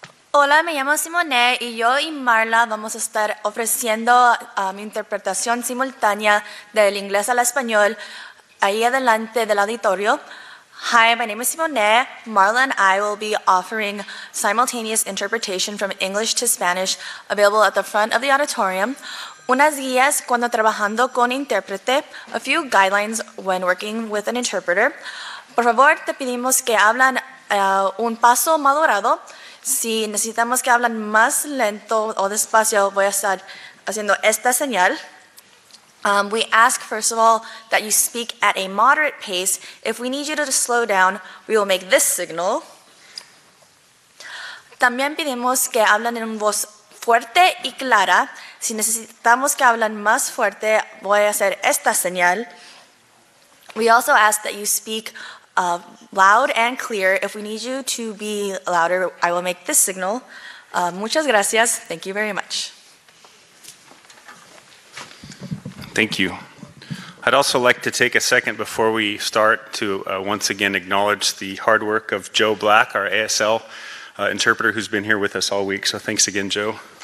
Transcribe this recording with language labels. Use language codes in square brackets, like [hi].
[es] Hola, me llamo Simone y yo y Marla vamos a estar ofreciendo mi interpretación simultánea del inglés al español ahí adelante del auditorio. [en] Hi, my name is Simone. Marla and I will be offering simultaneous interpretation from English to Spanish available at the front of the auditorium. [es] Unas guías cuando trabajando con intérprete, [en] a few guidelines when working with an interpreter. [es] Por favor, te pedimos que hablen un paso madurado. Si necesitamos que hablen más lento o despacio, voy a estar haciendo esta señal. [en] We ask, first of all, that you speak at a moderate pace. If we need you to slow down, we will make this signal. [es] También pedimos que hablen en voz fuerte y clara. Si necesitamos que hablen más fuerte, voy a hacer esta señal. [en] We also ask that you speak loud and clear. If we need you to be louder, I will make this signal. [es] Muchas gracias. [en] Thank you very much. Thank you. I'd also like to take a second before we start to once again acknowledge the hard work of Joe Black, our ASL interpreter, who's been here with us all week. So thanks again, Joe.